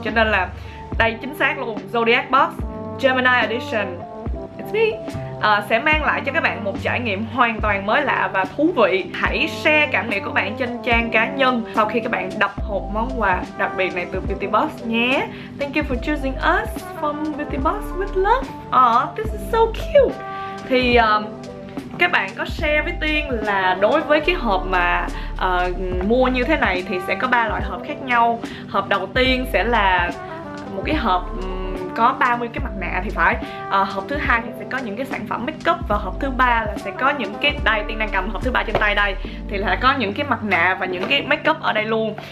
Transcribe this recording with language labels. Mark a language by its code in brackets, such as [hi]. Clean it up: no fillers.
[vi] Cho nên là đây chính xác luôn, Zodiac Box Gemini Edition, [en] it's me, [vi] sẽ mang lại cho các bạn một trải nghiệm hoàn toàn mới lạ và thú vị. Hãy share cảm nghĩ của bạn trên trang cá nhân sau khi các bạn đọc hộp món quà đặc biệt này từ Beauty Box nhé. [en] Thank you for choosing us from Beauty Box with love. This is so cute. [vi] Thì các bạn có share với Tiên là đối với cái hộp mà mua như thế này thì sẽ có 3 loại hộp khác nhau. Hộp đầu tiên sẽ là một cái hộp có 30 cái mặt nạ thì phải. Hộp thứ hai thì sẽ có những cái sản phẩm make up, và hộp thứ ba là sẽ có những cái, đây Tiên đang cầm hộp thứ ba trên tay đây, thì là có những cái mặt nạ và những cái make up ở đây luôn.